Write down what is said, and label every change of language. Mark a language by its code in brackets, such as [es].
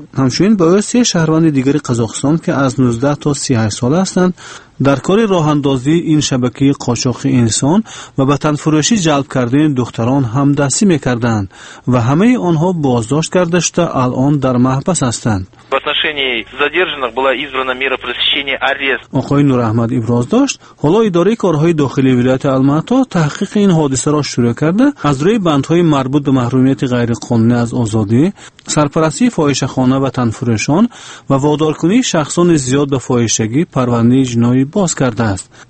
[fa] همچنین به سه شهروند دیگر قزاقستان که از 19 تا 38 ساله هستند در کار راه اندازی این شبکه قاچاق انسان و به تن فروشی جلب کردن دختران همدستی میکردند و همه آنها بازداشت کرده شده الان در محبس هستند. [ru] В отношении задержанных была избрана мера пресечения арест. [tg] Оқои Нуръахмад иброз дошт, ҳоло идораи корҳои дохилии вилояти Алмато таҳқиқи ин ҳодисаро шурӯъ карда, аз рӯи бандҳои марбут ба маҳрумияти ғайриқонунӣ аз озодӣ, сарпарастии фоҳишахона ва танфурӯшон ва водоркунии шахсони зиёд ба фоҳишагӣ парвандаи ҷиноӣ боз кардааст.